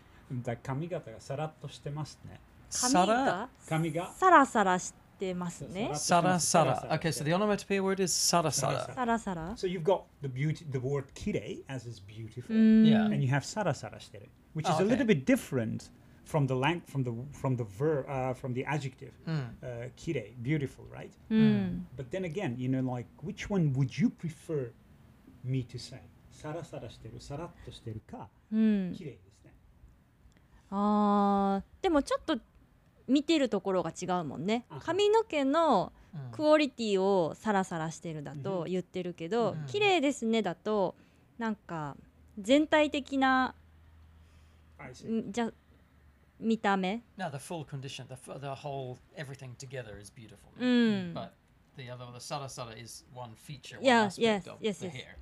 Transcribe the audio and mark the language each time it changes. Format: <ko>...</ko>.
<ja>だ髪型がサラッとしてますね。髪がサラサラしてますね。</ja> <en>サラサラ。Okay, so the onomatopoeia word is サラサラ。</en> <ja>サラサラ。</ja> <en>So you've got the beauty, the word kirei as is beautiful, yeah, and you have サラサラしてる, which is a little bit different from the length, from the verb, from the adjective, kirei, beautiful, right? But then again, you know, like, which one would you prefer me to say?</en> <ja>サラサラしてる、サラッとしてるか、綺麗ですね。ああ、でもちょっと見てるところが違うもんね。髪の毛のクオリティをサラサラしてるだと言ってるけど、綺麗ですねだとなんか全体的なじゃ見た目。</ja> <en>Now the full condition, the whole everything together is beautiful. But the other, the サラサラ is one feature, one aspect of the hair.</en>